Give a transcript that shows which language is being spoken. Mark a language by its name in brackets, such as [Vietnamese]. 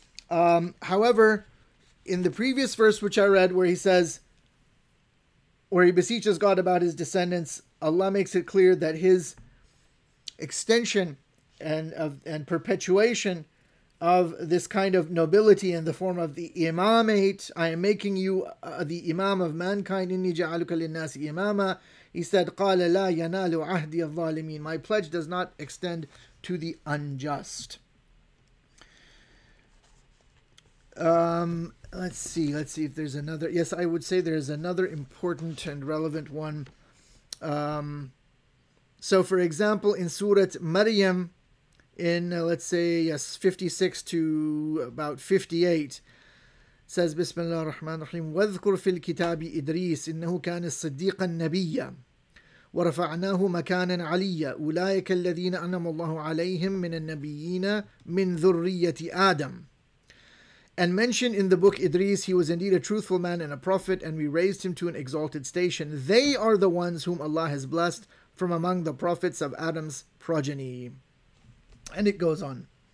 [English] However, in the previous verse which I read, where he says, where he beseeches God about his descendants, Allah makes it clear that his extension and perpetuation of this kind of nobility in the form of the imamate, I am making you the imam of mankind, [Arabic] inni ja'aluka linnasi imama, [English] he said, [Arabic] qala la yanalu ahdi al-zalimin, [English] my pledge does not extend to the unjust. Let's see if there's another. Yes, I would say there is another important and relevant one. So for example, in Surah Maryam, in, let's say, yes, 56 to about 58, says, [Arabic] Bismillah ar-Rahman ar-Rahim, وَذْكُرْ فِي الْكِتَابِ إِدْرِيسِ إِنَّهُ كَانَ الصَّدِّيقًا نَبِيًّا وَرَفَعْنَاهُ مَكَانًا عَلِيًّا أُولَٰئِكَ الَّذِينَ أَنَّمَ اللَّهُ عَلَيْهِمْ مِنَ النَّبِيِّينَ مِنْ ذُرِّيَّةِ آدَمْ. [English] And mentioned in the book Idris, he was indeed a truthful man and a prophet, and we raised him to an exalted station. They are the ones whom Allah has blessed from among the prophets of Adam's progeny. And it goes on.